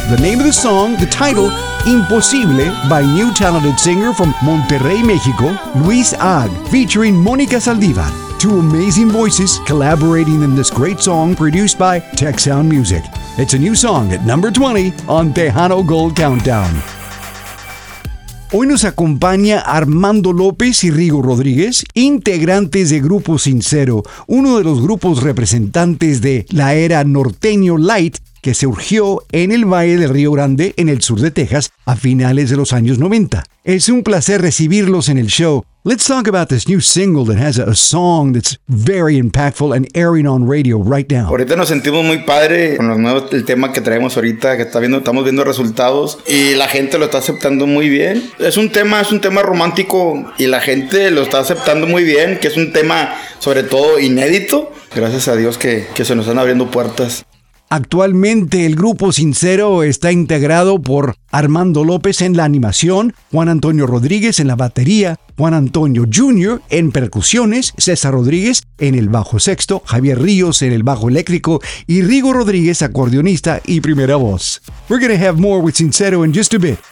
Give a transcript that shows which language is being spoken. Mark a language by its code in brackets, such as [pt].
[en] The name of the song, the title, Imposible, by new talented singer from Monterrey, Mexico, Luis Ag, featuring Mónica Saldívar. Two amazing voices collaborating in this great song produced by Tech Sound Music. It's a new song at number 20 on Tejano Gold Countdown. [es] Hoy nos acompaña Armando López y Rigo Rodríguez, integrantes de Grupo Sincero, uno de los grupos representantes de la era norteño light que surgió en el Valle del Río Grande, en el sur de Texas, a finales de los años 90. Es un placer recibirlos en el show. [en] Let's talk about this new single that has a song that's very impactful and airing on radio right now. [es] Ahorita nos sentimos muy padre con los nuevos, el tema que traemos ahorita, que está viendo, estamos viendo resultados y la gente lo está aceptando muy bien. Es un tema romántico y la gente lo está aceptando muy bien, que es un tema sobre todo inédito. Gracias a Dios que se nos están abriendo puertas. Actualmente el Grupo Sincero está integrado por Armando López en la animación, Juan Antonio Rodríguez en la batería, Juan Antonio Jr. en percusiones, César Rodríguez en el bajo sexto, Javier Ríos en el bajo eléctrico y Rigo Rodríguez, acordeonista y primera voz. [en] We're gonna have more with Sincero in just a bit.